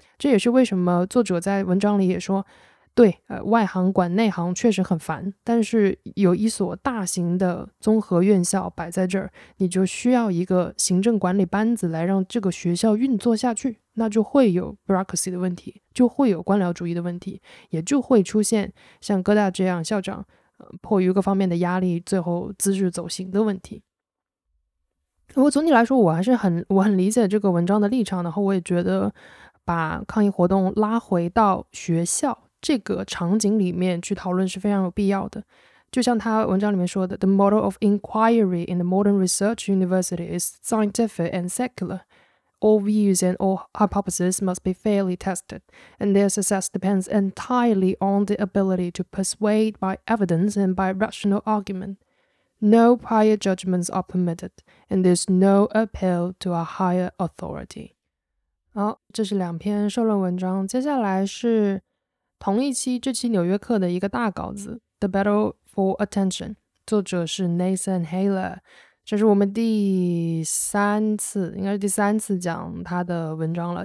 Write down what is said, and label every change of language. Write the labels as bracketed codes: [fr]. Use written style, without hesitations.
[zh] 这也是为什么作者在文章里也说，对外行管内行确实很烦，但是有一所大型的综合院校摆在这儿，你就需要一个行政管理班子来让这个学校运作下去，那就会有 bureaucracy 的问题，就会有官僚主义的问题，也就会出现像哥大这样校长迫于各方面的压力最后资质走形的问题。不过总体来说我很理解这个文章的立场，然后我也觉得把抗议活动拉回到学校这个场景里面去讨论是非常有必要的。就像他文章里面说的， [en] The model of inquiry in the modern research university is scientific and secular. All views and all hypotheses must be fairly tested, and their success depends entirely on the ability to persuade by evidence and by rational argument. No prior judgments are permitted, and there's no appeal to a higher authority. [zh] 好，这是两篇社论文章，接下来是同一期这期《纽约客》的一个大稿子，《The Battle for Attention》，作者是 Nathan Haller。这是我们第三次，应该是第三次讲他的文章了。